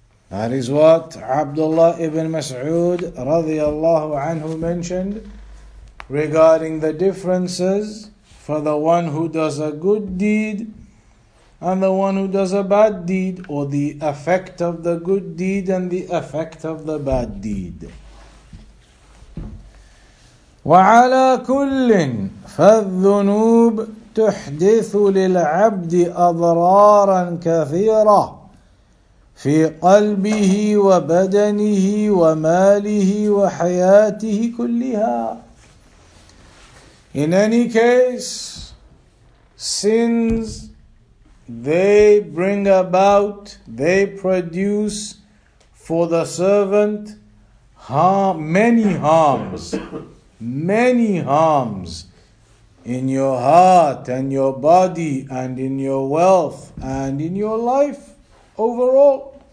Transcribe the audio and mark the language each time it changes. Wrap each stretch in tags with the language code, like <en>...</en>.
<en>That is what Abdullah ibn Mas'ud radiallahu anhu mentioned regarding the differences for the one who does a good deed and the one who does a bad deed, or the effect of the good deed and the effect of the bad deed.</en> <ar>وَعَلَى كُلٍ فَالذُّنُوبُ تُحْدِثُ لِلْعَبْدِ أَضْرَارًا كَثِيرًا في قلبه وبدنه وماله وحياته كلها.</ar> <en>In any case, sins, they bring about, they produce for the servant many harms in your heart and your body and in your wealth and in your life overall.</en>